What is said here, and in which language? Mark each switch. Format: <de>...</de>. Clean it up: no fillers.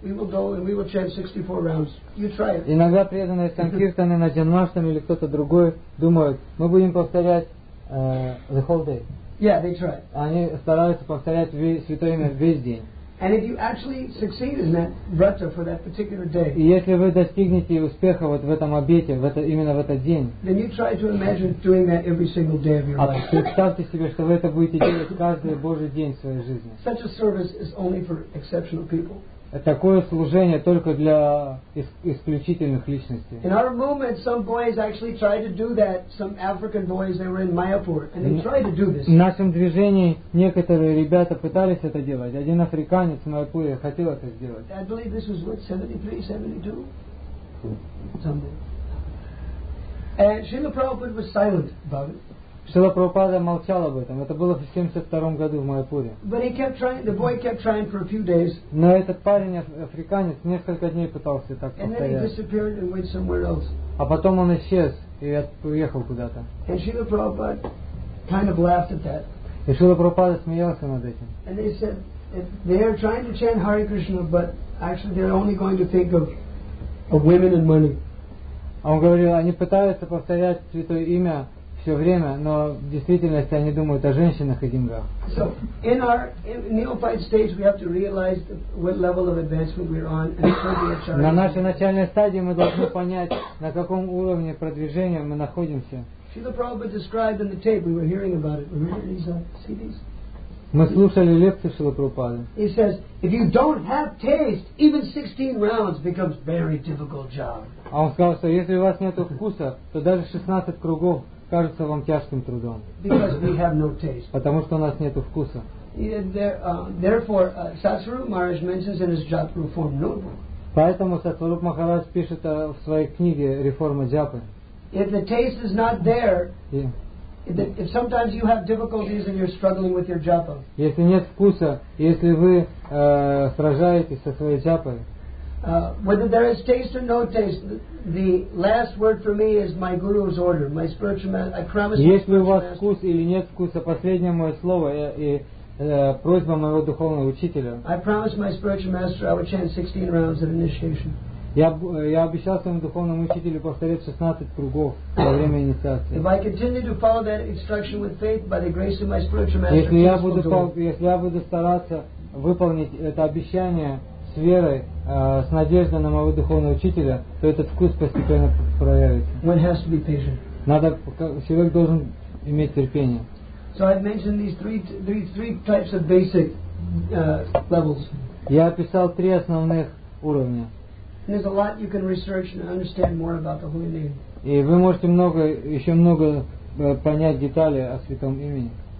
<en>We will go and we will chant 64 rounds. You try it.</en> <ru>Иногда преданные санкиртаны на Джанмаштами или кто-то другой думают, мы будем повторять</ru> <en>the whole day. Yeah, they try.</en> <ru>Они стараются повторять святое имя весь день.</ru> <en>And if you actually succeed in that vrata for that particular day,</en> <ru>и если вы достигнете успеха вот в этом обете, в это, именно в этот день,</ru> <en>then you try to imagine doing that every single day of your life.</en> <ru>Представьте себе, что вы это будете делать каждый Божий день в своей жизни.</ru> <en>Such a service is only for exceptional people.</en> <ru>Такое служение только для исключительных личностей.</ru> <en>In our movement, some boys actually tried to do that. Some African boys, they were in Mayapur, and they tried to do this.</en> <ru>В нашем движении некоторые ребята пытались это делать. Один африканец в Майапуре хотел это сделать.</ru> <en>I believe this was what, 73, 72? Something. And Srila Prabhupada was silent about it.</en> <ru>Шрила Прабхупада молчал об этом. Это было в 72-м году в Майяпуре.</ru> <en>But he kept trying, the boy kept trying for a few days.</en> <ru>Но этот парень, африканец, несколько дней пытался так</ru> <en>and</en> <ru>повторять.</ru> <en>Then he disappeared and went somewhere else.</en> <ru>А потом он исчез и уехал куда-то.</ru> <en>And Shrila Prabhupada kind of laughed at that.</en> <ru>И Шрила Прабхупада смеялся над этим.</ru> <en>And they said, they are trying to chant Hare Krishna, but actually they're only going to think of women and money.</en> <ru>А он говорил, они пытаются повторять святое имя все время, но в действительности они думают о женщинах и деньгах.</ru> <en>So, in our neophyte stage, we have to realize what level of advancement we're on and so be charged.</en> <ru>На нашей начальной стадии мы должны понять, на каком уровне продвижения мы находимся.</ru> <en>Srila Prabhupada described in the tape, we were hearing about it. Remember these CDs?</en> <ru>Мы слушали лекции Шрилы Прабхупады.</ru> <en>He says, if you don't have taste, even 16 rounds becomes a very difficult job.</en> <ru>А он сказал, что если у вас нет вкуса, то даже 16 кругов кажется вам тяжким трудом.</ru> <en>Because we have no taste.</en> <ru>Потому что у нас нету вкуса.</ru> <en>Therefore, Satsvarup Maharaj mentions in his Japa Reform Notebook.</en> <ru>Поэтому Сатсварупа Махарадж пишет в своей книге «Реформа Джапы».</ru> <en>If the taste is not there, if sometimes you have difficulties and you're struggling with your japa.</en> <ru>Если нет вкуса, если вы сражаетесь со своей джапой.</ru> <en>Whether there is taste or no taste, the last word for me is my guru's order, my spiritual master. I promise you.</en> <ru>Если у вас вкус или нет вкуса, последнее мое слово и просьба моего духовного учителя.</ru> <en>I promised my spiritual master I would chant 16 rounds of initiation.</en> <ru>Я обещал своему духовному учителю повторять 16 кругов во время инициации.</ru> <en>If I continue to follow that instruction with faith by the grace of my spiritual master.</en> <ru>Если я буду стараться выполнить это обещание с верой, с надеждой на моего духовного учителя, то этот вкус постепенно проявится.</ru> <en>One has to be patient.</en> <ru>Человек должен иметь терпение.</ru> <en>So I've mentioned these three types of basic levels.</en> <ru>Я описал три основных уровня.</ru> <en>And there's a lot you can research and understand more about the holy name.</en> <ru>И вы можете много, еще много понять детали о святом имени.</ru>